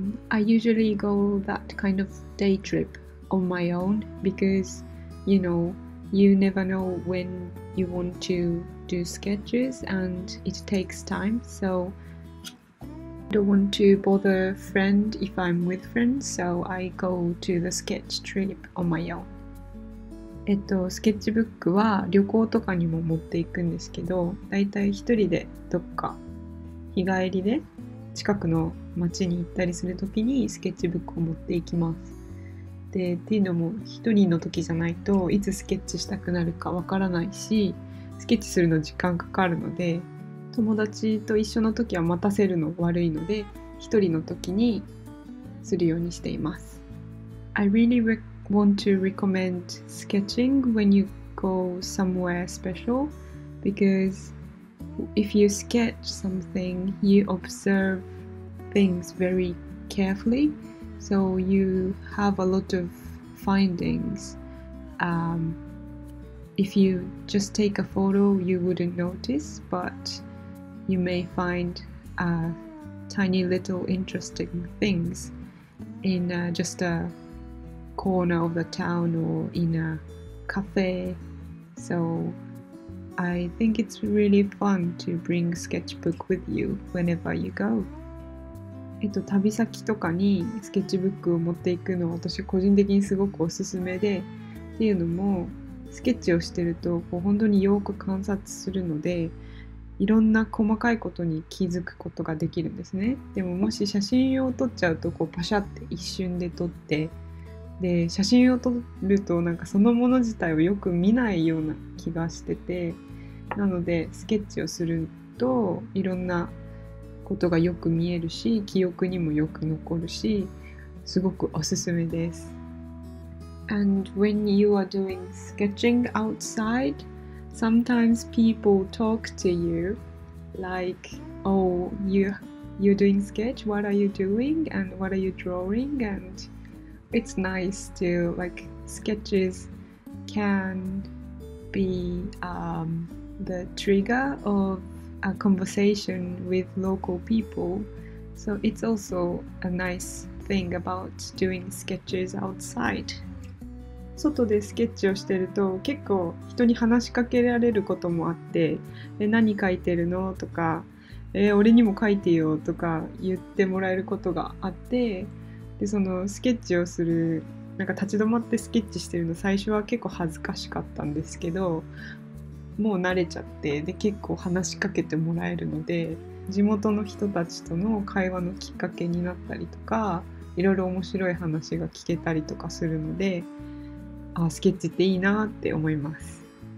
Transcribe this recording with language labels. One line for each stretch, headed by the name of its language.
English: I usually go that kind of day trip on my own because you know you never know whenYou want to do sketches and it takes time, so I don't want to bother friend if I'm with friends, so I go to the sketch trip on my own.
Japanese: スケッチブックは旅行とかにも持っていくんですけど、だいたい一人でどっか日帰りで近くの町に行ったりするときにスケッチブックを持っていきます。で、っていうのも一人の時じゃないといつスケッチしたくなるかわからないし、スケッチするの時間かかるので、友達と一緒の時は待たせるの悪いので、一人の時にするようにしています。
English: I really want to recommend sketching when you go somewhere special, because if you sketch something, you observe things very carefully, so you have a lot of findings. If you just take a photo, you wouldn't notice, but you may find tiny little interesting things in just a corner of the town or in a cafe. So I think it's really fun to bring sketchbook with you whenever you go.
Japanese: 旅先とかにスケッチブックを持っていくのは私個人的にすごくおすすめで、っていうのもスケッチをしてるとこう本当によく観察するので、いろんな細かいことに気づくことができるんですね。でももし写真を撮っちゃうとこうパシャって一瞬で撮って、で写真を撮るとなんかそのもの自体をよく見ないような気がしてて、なのでスケッチをするといろんなことがよく見えるし、記憶にもよく残るし、すごくおすすめです。
English: And when you are doing sketching outside, sometimes people talk to you like, oh, you're doing sketch, what are you doing and what are you drawing, andIt's nice to, like, sketches can be the trigger of a conversation with local people. So it's also a nice thing about doing sketches outside.
Japanese: 外でスケッチをしてると結構人に話しかけられることもあって、え、何描いてるの? とか、え、俺にも描いてよとか言ってもらえることがあって、でそのスケッチをする、なんか立ち止まってスケッチしてるの最初は結構恥ずかしかったんですけど、もう慣れちゃって、で結構話しかけてもらえるので、地元の人たちとの会話のきっかけになったりとか、いろいろ面白い話が聞けたりとかするので、あ、スケッチっていいなって思います。